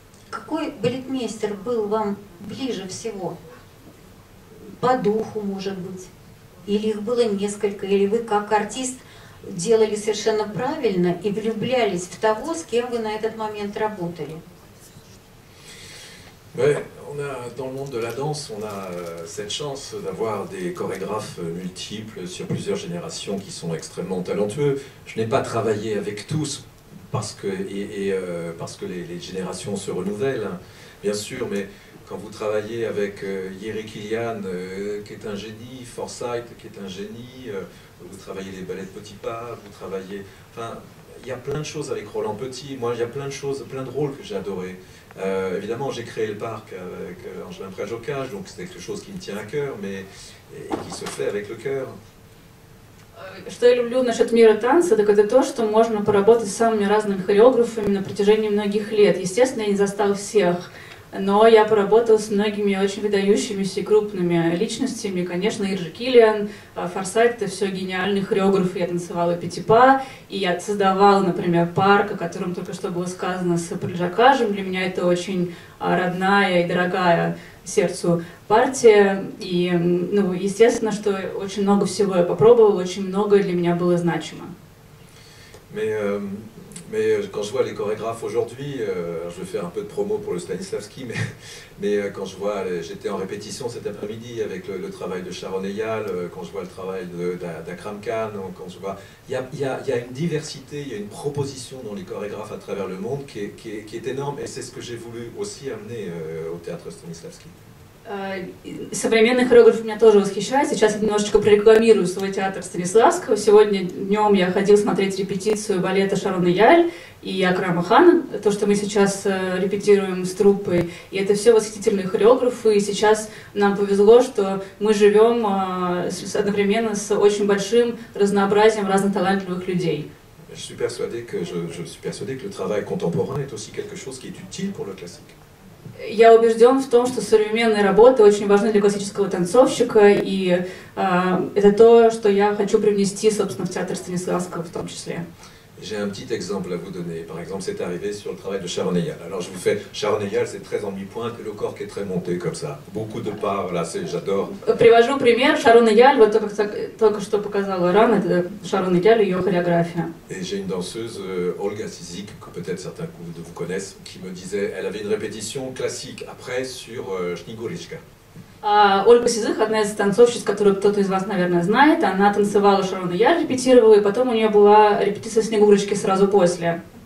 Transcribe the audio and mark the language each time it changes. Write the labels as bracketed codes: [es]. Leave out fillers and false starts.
[ru] Какой балетмейстер был вам ближе всего? По духу, может быть, или их было несколько, или вы как артист делали совершенно правильно и влюблялись в того, с кем вы на этот момент работали. [fr] Mais on a dans le monde de la danse, on a cette chance d'avoir des chorégraphes multiples sur plusieurs générations qui sont extrêmement talentueux. Je n'ai pas travaillé avec tous parce que les générations se renouvellent, bien sûr, mais quand vous travaillez avec Yeri Kilian, qui est un génie, Forsythe, qui est un génie, vous travaillez les ballets de Petit Pas, vous travaillez. Enfin, il y a plein de choses avec Roland Petit. Moi, il y a plein de choses, plein de rôles que j'ai adorés. Évidemment, j'ai créé le parc avec Angelin Prajokaj, donc c'est quelque chose qui me tient à cœur, mais et qui se fait avec le cœur. [ru] Что я люблю насчет мира танца, так это то, что можно поработать с самыми разными хореографами на протяжении многих лет. Естественно, я не застал всех. Но я поработала с многими очень выдающимися и крупными личностями. Конечно, Иржи Киллиан, Форсайт — это все гениальный хореограф. Я танцевала Петипа, и я создавала, например, Парк, о котором только что было сказано, с Прельжакажем. Для меня это очень родная и дорогая сердцу партия. И, ну, естественно, что очень много всего я попробовала, очень многое для меня было значимо. [fr] Mais quand je vois les chorégraphes aujourd'hui, je vais faire un peu de promo pour le Stanislavski, mais quand je vois, j'étais en répétition cet après-midi avec le travail de Sharon Eyal, quand je vois le travail d'Akram Khan, quand je vois, il y a une diversité, il y a une proposition dans les chorégraphes à travers le monde qui est énorme, et c'est ce que j'ai voulu aussi amener au théâtre Stanislavski. [ru] Современный хореограф меня тоже восхищает. Сейчас я немножечко прорекламирую свой театр Станиславского. Сегодня днем я ходил смотреть репетицию балета Шарон Эйяль и Акрама Хана, то, что мы сейчас репетируем с труппой. И это все восхитительные хореографы. И сейчас нам повезло, что мы живем одновременно с очень большим разнообразием разных талантливых людей. [fr] Je suis persuadé que le travail contemporain est aussi quelque chose qui est utile pour le classique. [ru] Я убежден в том, что современные работы очень важны для классического танцовщика, и это то, что я хочу привнести, собственно, в театр Станиславского в том числе. [fr] J'ai un petit exemple à vous donner. Par exemple, c'est arrivé sur le travail de Charneyal. Alors, je vous fais Charneyal, c'est très en mi-pointe et le corps qui est très monté comme ça. Beaucoup de pas, voilà, j'adore. [ru] Привожу пример Charneyal, вот то, как только что показала Рана, это Charneyal и ее хореография. [fr] Et j'ai une danseuse, Olga Sizik, que peut-être certains de vous connaissent, qui me disait, elle avait une répétition classique après sur Snigurichka. [ru] Ольга Сизых, одна из танцовщиц, которую кто-то из вас, наверное, знает, она танцевала Шарон и я, репетировала, и потом у нее была репетиция Снегурочки сразу после.